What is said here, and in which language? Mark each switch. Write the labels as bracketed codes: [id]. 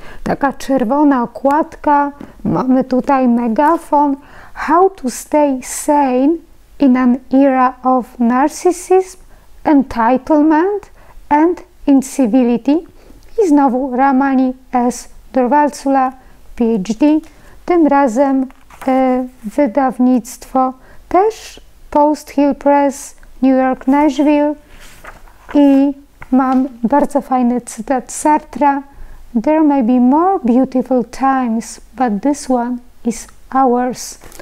[pl] Taka czerwona okładka, mamy tutaj megafon. [en] How to stay sane in an era of narcissism, entitlement and incivility. [pl] I znowu Ramani S. Durvasula, PhD. Tym razem wydawnictwo też Post Hill Press, New York, Nashville. I mam bardzo fajny cytat Sartra. [en] There may be more beautiful times, but this one is ours.